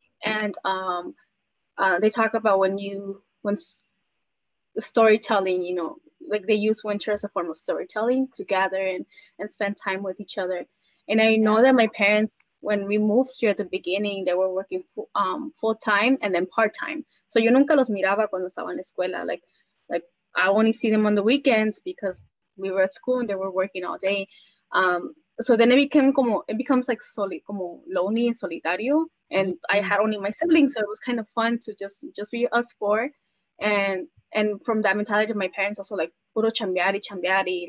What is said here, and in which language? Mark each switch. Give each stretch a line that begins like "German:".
English: And they talk about when storytelling, you know, like they use winter as a form of storytelling to gather and spend time with each other. And I know that my parents, when we moved here at the beginning, they were working full time and then part time.
Spanish: So yo nunca los miraba cuando estaba en la escuela.
English: Like I only see them on the weekends because we were at school and they were working all day. So then it becomes like como lonely and solitario. And I had only my siblings, so it was kind of fun to just be us four. And from that mentality, my parents also like
Spanish: puro chambiari, chambiari.